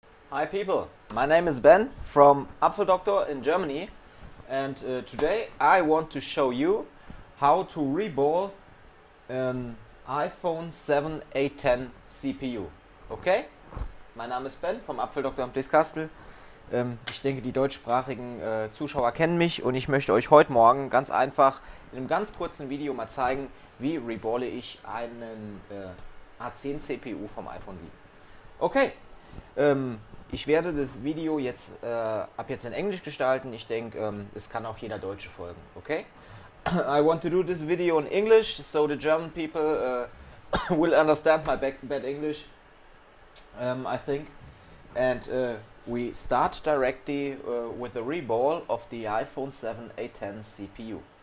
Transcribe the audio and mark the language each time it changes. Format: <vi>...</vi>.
<en>Hi people, my name is Ben from Apfel Doctor in Germany, and today I want to show you how to reball an iPhone 7 A10 CPU. Okay?</en> <de>Mein Name ist Ben vom Apfel Doctor in Bleskastel. Ich denke, die deutschsprachigen Zuschauer kennen mich und ich möchte euch heute Morgen ganz einfach in einem ganz kurzen Video mal zeigen, wie reballe ich einen A10 CPU vom iPhone 7. Okay, ich werde das Video jetzt ab jetzt in Englisch gestalten. Ich denke, es kann auch jeder Deutsche folgen, okay?</de> <en>I want to do this video in English, so the German people will understand my bad English, I think. And we start directly with the reball of the iPhone 7 A10 CPU.</en>